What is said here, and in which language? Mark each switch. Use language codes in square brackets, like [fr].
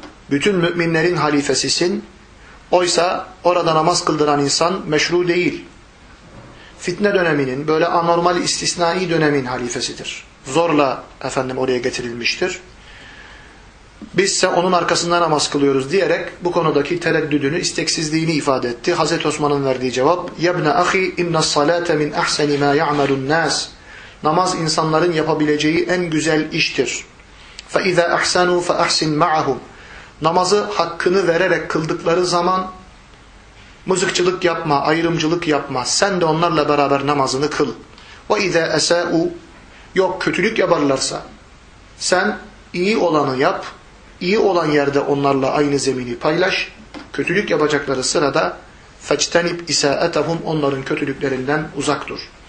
[tr] Bütün müminlerin halifesisin. Oysa orada namaz kıldıran insan meşru değil. Fitne döneminin, böyle anormal istisnai dönemin halifesidir. Zorla efendim oraya getirilmiştir. Bizse onun arkasında namaz kılıyoruz diyerek bu konudaki tereddüdünü, isteksizliğini ifade etti. Hazreti Osman'ın verdiği cevap, [ar] يَبْنَ أَخِي اِنَّ الصَّلَاةَ مِنْ اَحْسَنِ مَا يَعْمَلُ النَّاسِ. [tr] Namaz insanların yapabileceği en güzel iştir. [ar] فَاِذَا اَحْسَنُوا فَاَحْسِنْ مَعَهُمْ. [tr] namazı hakkını vererek kıldıkları zaman mızıkçılık yapma, ayrımcılık yapma. Sen de onlarla beraber namazını kıl. [ar] Ve izâ esâû, [tr] yok kötülük yaparlarsa sen iyi olanı yap, iyi olan yerde onlarla aynı zemini paylaş, kötülük yapacakları sırada [ar] feçtenib isâetahum, [tr] onların kötülüklerinden uzak dur.